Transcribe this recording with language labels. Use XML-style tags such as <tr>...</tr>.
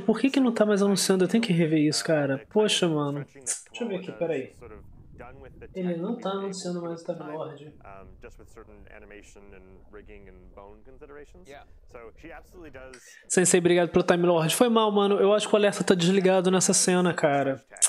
<pt>Por que, que não tá mais anunciando? Eu tenho que rever isso, cara. Poxa, mano. Deixa eu ver aqui, peraí. Ele não tá anunciando mais o Time Lord.</pt> <en>Just with certain animation and rigging and bone considerations. So she absolutely does.</en> <pt>Sensei, obrigado pelo Time Lord. Foi mal, mano. Eu acho que o alerta tá desligado nessa cena, cara.</pt>